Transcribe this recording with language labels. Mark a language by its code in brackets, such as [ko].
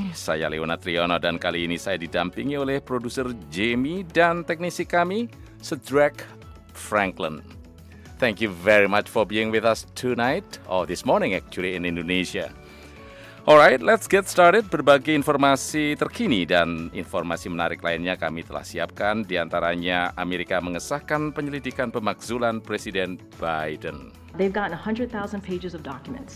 [id] Saya Leona Triyono, dan kali ini saya didampingi oleh produser Jamie dan teknisi kami, Sedrak Franklin. [en] Thank you very much for being with us tonight, or this morning actually in Indonesia. Alright, let's get started. [id] Berbagai informasi terkini dan informasi menarik lainnya kami telah siapkan. Di antaranya, Amerika mengesahkan penyelidikan pemakzulan Presiden Biden. [en] They've gotten 100,000 pages of documents.